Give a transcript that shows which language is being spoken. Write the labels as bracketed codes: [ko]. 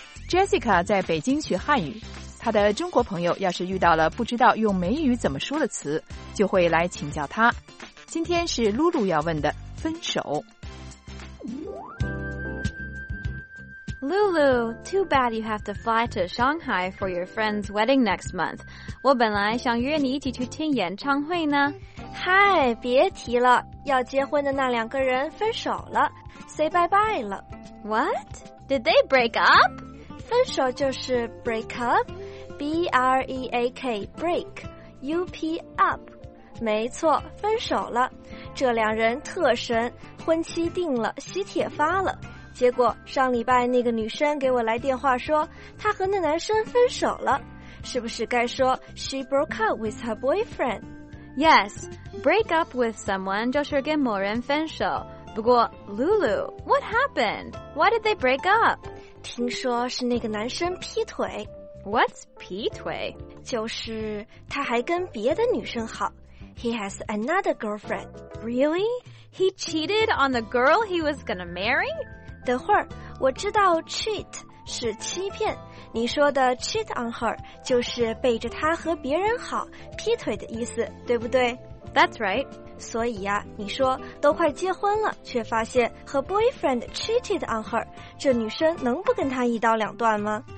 [zh] Jessica 在北京学汉语，她的中国朋友要是遇到了不知道用美语怎么说的词，就会来请教她。今天是露露要问的分手。 [en] Lulu, too bad you have to fly to Shanghai for your friend's wedding next month. [zh] 我本来想约你一起去听演唱会呢。嗨，别提了，要结婚的那两个人分手了， [en] say bye bye [zh] 了。 [en] What? Did they break up? [zh] 分手就是 [en] break up, B-R-E-A-K, break, U-P, up. [zh] 没错，分手了。这两人特神，婚期定了，喜帖发了。结果上礼拜那个女生给我来电话说她和那男生分手了，是不是该说 [en] She broke up with her boyfriend? Yes, break up with someone [zh] 就是跟某人分手。 [en] 不过 Lulu, what happened? Why did they break up? [zh] 听说是那个男生劈腿。 [en] What's 劈腿? [zh] 就是他还跟别的女生好。 [en] He has another girlfriend. Really? He cheated on the girl he was gonna marry? [zh] 等会儿，我知道 cheat 是欺骗，你说的 [en] cheat on her [zh] 就是背着她和别人好，劈腿的意思，对不对？ [en] That's right. [zh] 所以啊，你说都快结婚了，却发现和 [en] boyfriend cheated on her， [zh] 这女生能不跟她一刀两断吗？